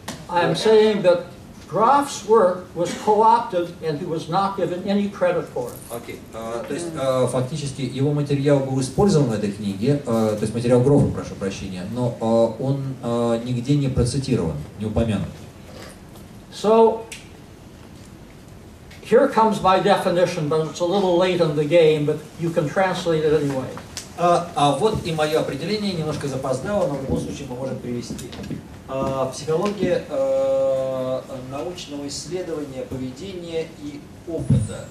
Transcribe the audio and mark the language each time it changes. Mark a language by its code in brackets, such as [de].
[en] I'm saying that Graf's work was co-opted and he was not given any credit for it. Okay. [ru] То есть, фактически, его материал был использован в этой книге, то есть материал Грофа, прошу прощения, но он нигде не процитирован, не упомянут. [en] So, here comes my definition, but it's a little late in the game, but you can translate it anyway. [ru] Вот и мое определение, немножко запоздало, но в любом случае мы можем привести. Психология научного исследования поведения и опыта.